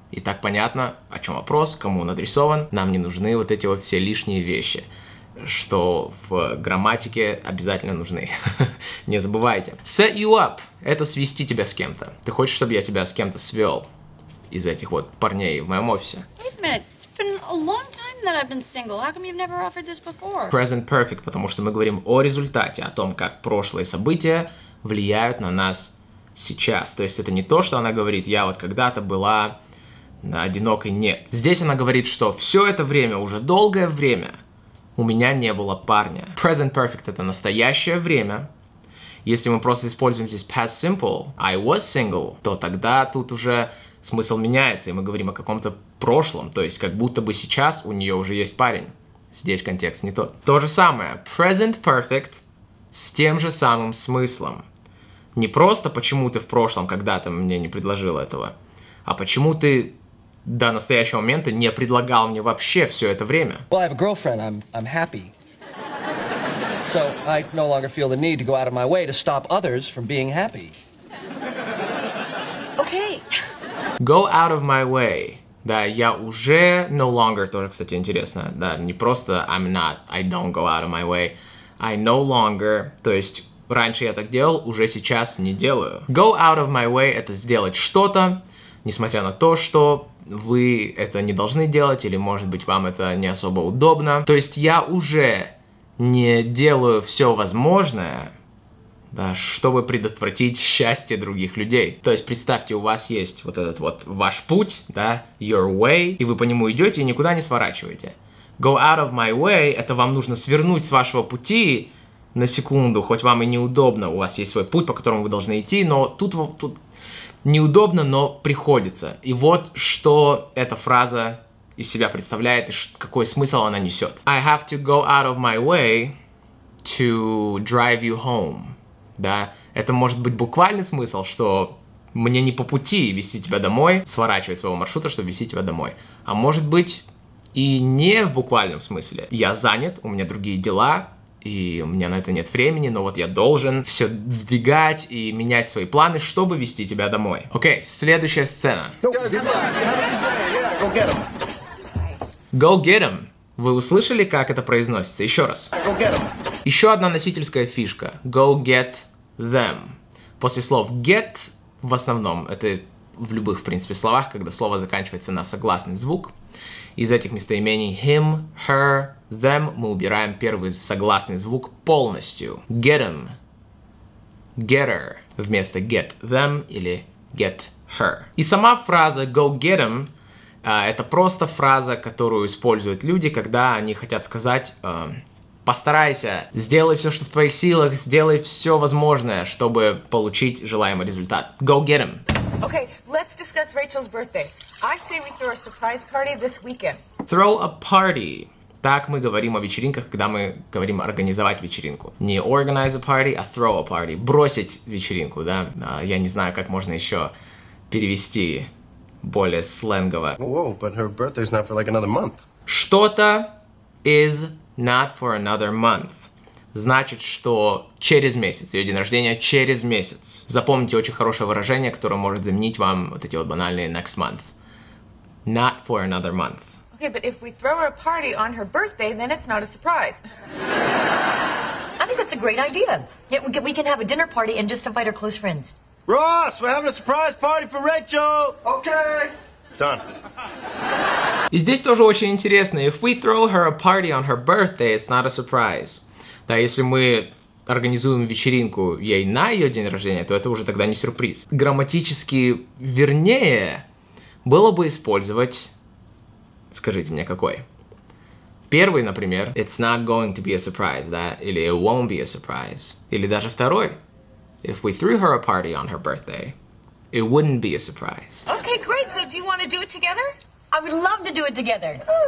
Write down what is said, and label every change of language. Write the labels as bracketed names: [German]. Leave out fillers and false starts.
[Russian] И так понятно, о чем вопрос, кому он адресован. Нам не нужны вот эти вот все лишние вещи, что в грамматике обязательно нужны. Не забывайте. [English] Set you up [Russian] — это свести тебя с кем-то. Ты хочешь, чтобы я тебя с кем-то свел из этих вот парней в моем офисе? [English] Wait a minute. It's been a long time that I've been single. How come you've never offered this before? [Russian] Present perfect, потому что мы говорим о результате, о том, как прошлые события влияют на нас сейчас. То есть это не то, что она говорит, я вот когда-то была одинокой. Нет. Здесь она говорит, что все это время, уже долгое время, у меня не было парня. Present perfect — это настоящее время. Если мы просто используем здесь past simple, [English] I was single, [Russian] то тогда тут уже смысл меняется, и мы говорим о каком-то прошлом, то есть как будто бы сейчас у нее уже есть парень. Здесь контекст не тот. То же самое. Present perfect с тем же самым смыслом. Не просто почему ты в прошлом когда-то мне не предложил этого, а почему ты до настоящего момента не предлагал мне вообще все это время. [English] Well, I have a girlfriend. I'm happy. So I no longer feel the need to go out of my way to stop others from being happy. Okay. Go out of my way. [Russian] Да, я уже no longer, тоже, кстати, интересно. Да, не просто [English] I'm not, I don't go out of my way. I no longer, [Russian] то есть раньше я так делал, уже сейчас не делаю. Go out of my way — это сделать что-то, несмотря на то, что вы это не должны делать, или, может быть, вам это не особо удобно. То есть я уже не делаю все возможное, да, чтобы предотвратить счастье других людей. То есть представьте, у вас есть вот этот вот ваш путь, да, your way, и вы по нему идете и никуда не сворачиваете. Go out of my way — это вам нужно свернуть с вашего пути на секунду, хоть вам и неудобно, у вас есть свой путь, по которому вы должны идти, но тут неудобно, но приходится. И вот что эта фраза из себя представляет и какой смысл она несет. [English] I have to go out of my way to drive you home. [Russian] Да, это может быть буквальный смысл, что мне не по пути вести тебя домой, сворачивать своего маршрута, чтобы вести тебя домой. А может быть, и не в буквальном смысле. Я занят, у меня другие дела, и у меня на это нет времени, но вот я должен все сдвигать и менять свои планы, чтобы вести тебя домой. Окей, следующая сцена. [English] Go get him. [Russian] Вы услышали, как это произносится? Еще раз. [English] Go get him. [Russian] Еще одна носительская фишка. [English] Go get them. [Russian] После слов get в основном, это в любых, в принципе, словах, когда слово заканчивается на согласный звук, из этих местоимений him, her, them мы убираем первый согласный звук полностью. [English] Get them, get her, вместо get them или get her. [Russian] И сама фраза [English] go get them, [Russian] это просто фраза, которую используют люди, когда они хотят сказать постарайся, сделай все, что в твоих силах, сделай все возможное, чтобы получить желаемый результат. [English] Go get them. Okay, let's discuss Rachel's birthday. I say we throw a surprise party this weekend. Throw a party. [Russian] Так мы говорим о вечеринках, когда мы говорим организовать вечеринку. [English] Не organize a party, а throw a party. [Russian] Бросить вечеринку, да? Я не знаю, как можно еще перевести более сленгово. [English] Whoa, but her birthday's not for like another month. Что-то is not for another month. [Russian] Значит, что через месяц, ее день рождения через месяц. Запомните очень хорошее выражение, которое может заменить вам вот эти вот банальные next month. [English] Not for another month. Okay, but if we throw a party on her birthday, then it's not a surprise. I think that's a great idea. Yeah, we can have a dinner party and just invite our close friends. Ross, we're having a surprise party for Rachel! Okay! Done. [Russian] И здесь тоже очень интересно. [English] If we throw her a party on her birthday, it's not a surprise. [Russian] Да, если мы организуем вечеринку ей на ее день рождения, то это уже тогда не сюрприз. Грамматически вернее было бы использовать, скажите мне, какой? Первый, например, [English] it's not going to be a surprise, да? Или it won't be a surprise. [Russian] Или даже второй, [English] if we threw her a party on her birthday, it wouldn't be a surprise. Okay, great, so do you want to do it together? I would love to do it together.